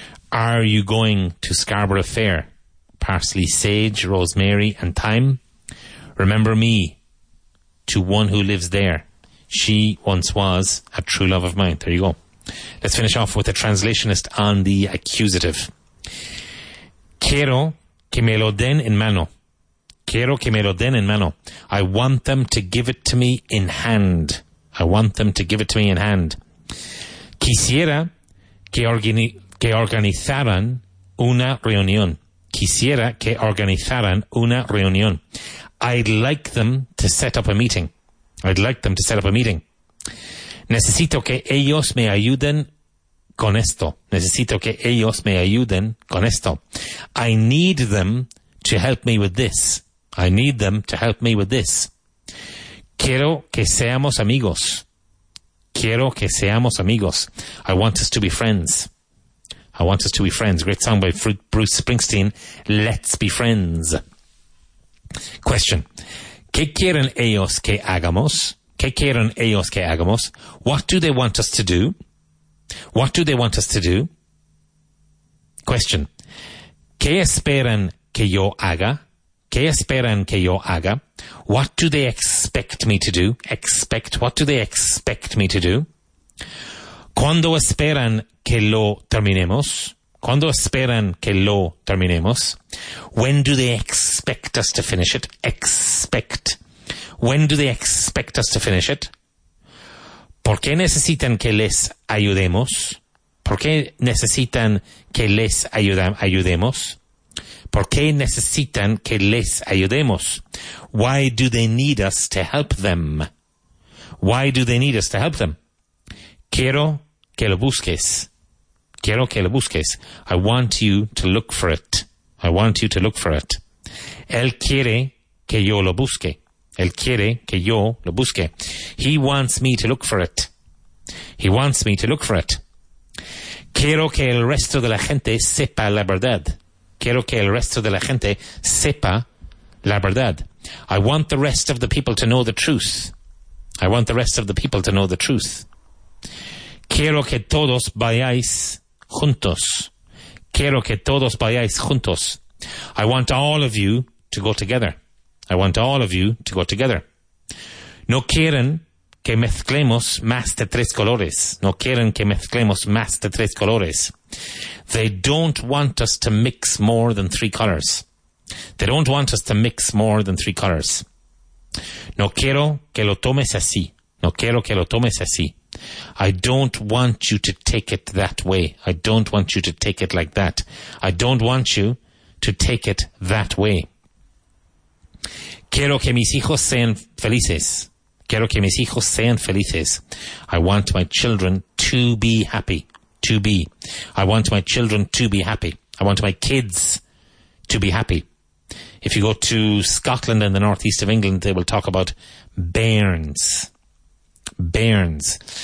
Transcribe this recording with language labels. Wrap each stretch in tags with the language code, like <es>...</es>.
<en>Are you going to Scarborough Fair? Parsley, sage, rosemary and thyme. Remember me to one who lives there. She once was a true love of mine. There you go. Let's finish off with a translationist on the accusative.</en> <es>Quiero que me lo den en mano. Quiero que me lo den en mano.</es> <en>I want them to give it to me in hand. I want them to give it to me in hand.</en> <es>Quisiera que organizaran una reunión. Quisiera que organizaran una reunión.</es> <en>I'd like them to set up a meeting. I'd like them to set up a meeting.</en> <es>Necesito que ellos me ayuden con esto. Necesito que ellos me ayuden con esto.</es> <en>I need them to help me with this. I need them to help me with this.</en> <es>Quiero que seamos amigos. Quiero que seamos amigos.</es> <en>I want us to be friends. I want us to be friends. Great song by Bruce Springsteen. Let's be friends. Question.</en> <es>¿Qué quieren ellos que hagamos? ¿Qué quieren ellos que hagamos?</es> <en>What do they want us to do? What do they want us to do? Question.</en> <es>¿Qué esperan que yo haga? ¿Qué esperan que yo haga?</es> <en>What do they expect me to do? Expect. What do they expect me to do?</en> <es>¿Cuándo esperan que lo terminemos? ¿Cuándo esperan que lo terminemos?</es> <en>When do they expect us to finish it? Expect. When do they expect us to finish it?</en> <es>¿Por qué necesitan que les ayudemos? ¿Por qué necesitan que les ayudemos? ¿Por qué necesitan que les ayudemos?</es> <en>Why do they need us to help them? Why do they need us to help them?</en> <es>Quiero que lo busques. Quiero que lo busques.</es> <en>I want you to look for it. I want you to look for it.</en> <es>Él quiere que yo lo busque. Él quiere que yo lo busque.</es> <en>He wants me to look for it. He wants me to look for it.</en> <es>Quiero que el resto de la gente sepa la verdad. Quiero que el resto de la gente sepa la verdad.</es> <en>I want the rest of the people to know the truth. I want the rest of the people to know the truth.</en> <es>Quiero que todos vayáis juntos. Quiero que todos vayáis juntos.</es> <en>I want all of you to go together. I want all of you to go together.</en> <es>No quieren que mezclemos más de tres colores. No quieren que mezclemos más de tres colores.</es> <en>They don't want us to mix more than three colors. They don't want us to mix more than three colors. No quiero que lo tomes así. No quiero que lo tomes así. I don't want you to take it that way. I don't want you to take it like that. I don't want you to take it that way.</en> <es>Quiero que mis hijos sean felices. Quiero que mis hijos sean felices.</es> <en>I want my children to be happy. To be. I want my children to be happy. I want my kids to be happy. If you go to Scotland and the northeast of England, they will talk about bairns. Bairns.</en>